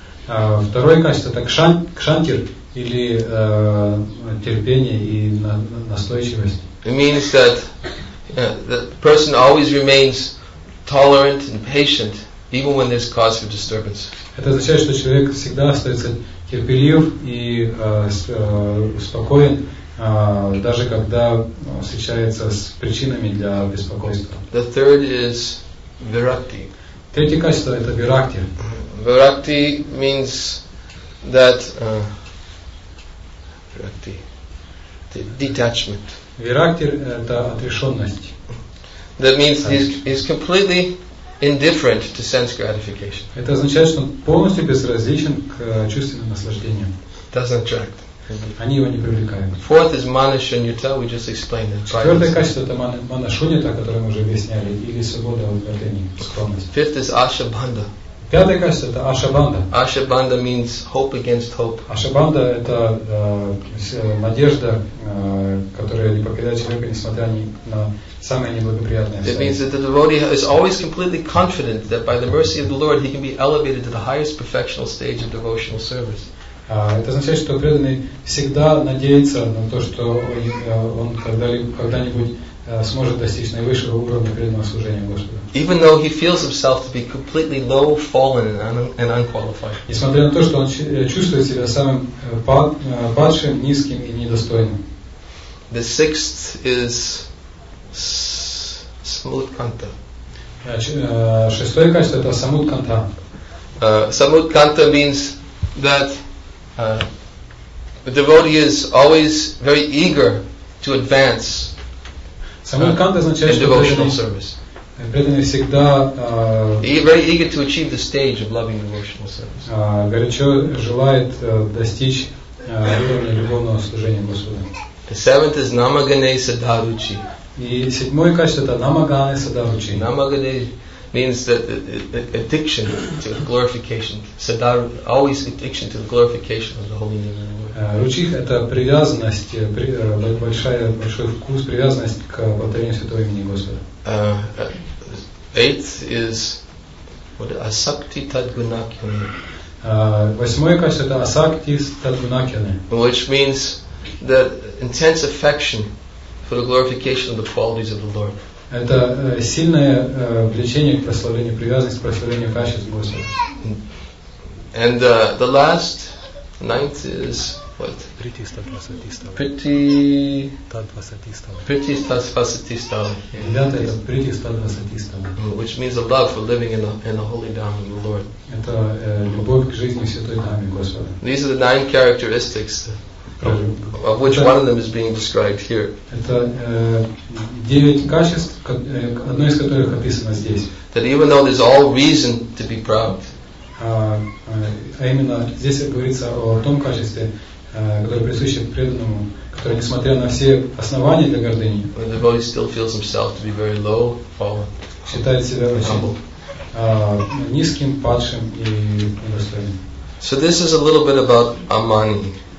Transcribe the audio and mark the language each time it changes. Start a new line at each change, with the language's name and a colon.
Russian: Второе качество – это кшантир, или терпение и настойчивость.
English: It means that the person always remains tolerant and patient even when there's cause for disturbance.
Russian: Это означает, что человек всегда остается терпелив и спокоен, даже когда встречается с причинами для беспокойства.
English: The third is virakti.
Russian: Третье качество – это виракти.
English: Виракти means that виракти the detachment.
Russian: Виракти – это отрешенность.
English: That means he's completely indifferent to sense gratification.
Russian: Это означает, что он полностью безразличен к чувственным наслаждениям.
English: Doesn't attract.
Russian: Они его не привлекают.
English: Fourth is mana shunyata. We just explained that.
Russian: Четвертое качество это мана шунята, которое мы уже объясняли, или свобода от гордыни, скромность.
English: Fifth is asha bandha.
Russian: Пятая каста это Ашабанда.
English: Ашабанда means hope against hope.
Russian: Ашабанда это надежда, которая не покидает человека, несмотря ни на самые неблагоприятные обстоятельства.
English: It means that the devotee is always completely confident that by the mercy of the Lord he can be elevated to the highest perfectional stage of devotional service.
Russian: Это означает, что преданный всегда надеется на то, что он когда-нибудь сможет достичь наивысшего уровня преданного служения Господу.
English: Even though he feels himself to be completely low, fallen, and unqualified.
Russian: Несмотря на то, что он чувствует себя самым падшим, низким и недостойным.
English: The sixth is Samudkanta.
Russian: Шестое качество это Samudkanta.
English: Samudkanta means that the devotee is always very eager to advance.
Russian: Samudkanta означает, что
English: devotional service.
Russian: Преданный всегда
English: very eager to achieve the stage of loving devotional service.
Russian: Горячо желает достичь уровня любовного служения Господу.
English: The seventh is Namaganesa Daruchi.
Russian: И седьмое качество это Namaganesa Daruchi.
English: Namaganesa means that addiction to glorification, sadar, always addiction to the glorification of the Holy Name.
Russian: Ручих это привязанность, большой вкус, привязанность к повторению Святого имени Господа.
English: Eighth is what asakti tadgunakyane.
Russian: Восьмое качество это asakti tadgunakyane,
English: which means that intense affection for the glorification of the qualities of the Lord.
Russian: Это сильное влечение к прославлению, привязанность к прославлению качеств Господа.
English: And the last ninth is what?
Sanskrit: Priti tatvasati stava. Priti tatvasati stava. Priti tatvasati stava.
Russian: Девятое это priti tatvasati stava.
English: Which means a love for living in a holy dhamma of the Lord.
Russian: Это любовь к жизни в святой дхамме Господа.
English: These are the nine characteristics of which one of them is being described here.
Russian: Это девять качеств, одно из которых описано здесь.
English: That even though there's all reason to be proud.
Russian: А именно здесь говорится о том качестве, которое присуще преданному, которое, несмотря на все основания для гордыни,
English: the devotee still feels himself to be very low, fallen.
Russian: Считает себя очень низким, падшим и недостойным.
English: So this is a little bit about Amani.